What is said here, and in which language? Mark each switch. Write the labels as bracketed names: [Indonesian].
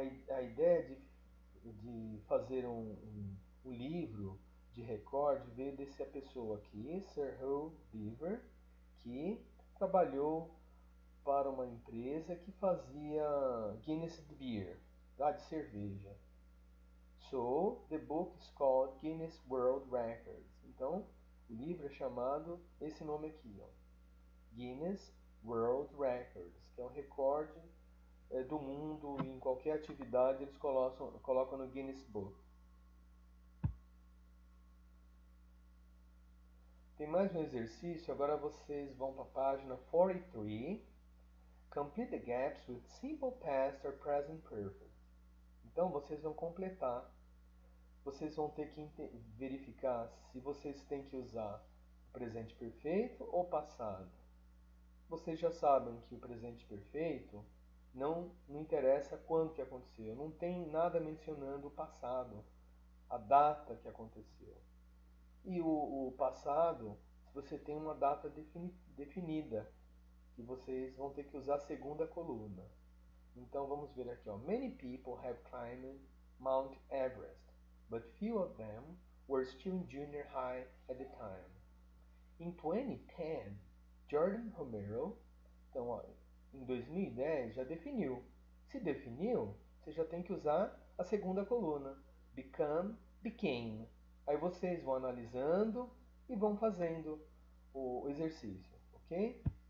[Portuguese] A ideia de fazer um livro de recorde veio dessa pessoa aqui, Sir Hugh Beaver, que trabalhou para uma empresa que fazia Guinness Beer, lá de cerveja. [English] So, the book is called Guinness World Records. [Portuguese] Então, o livro é chamado esse nome aqui, ó, Guinness World Records, que é um recorde do mundo, em qualquer atividade eles colocam no Guinness Book. Tem mais um exercício, agora vocês vão para a página 43. [English] Complete the gaps with simple past or present perfect. [Portuguese] Então vocês vão completar. Vocês vão ter que verificar se vocês têm que usar o presente perfeito ou passado. Vocês já sabem que o presente perfeito não interessa quando que aconteceu. Não tem nada mencionando o passado, a data que aconteceu. E o passado, se você tem uma data definida, que vocês vão ter que usar a segunda coluna. Então vamos ver aqui, ó. [English] Many people have climbed Mount Everest, but few of them were still in junior high at the time. In 2010, Jordan Romero, [Portuguese] então, ó, em 2010 já definiu. Se definiu, você já tem que usar a segunda coluna, become, became. Aí vocês vão analisando e vão fazendo o exercício, ok?